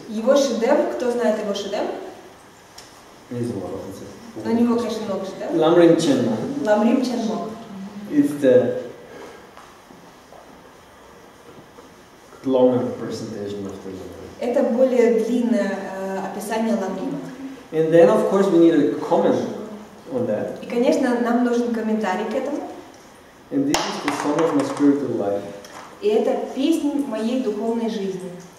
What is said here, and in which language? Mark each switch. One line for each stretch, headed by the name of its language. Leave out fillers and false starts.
Russian: Его шедевр, кто знает его шедевр?
English: He is a lot of things.
Russian: На него, конечно, много шедевр. Ламрим Ченмо. Ламрим Ченмо.
English: It's the longer presentation of the Ламрим.
Russian: Это более длинное описание Ламрима.
English: And then, of course, we need a comment on that.
Russian: И, конечно, нам нужен комментарий к этому.
English: And this is the song of my spiritual life.
Russian: И это песня моей духовной жизни.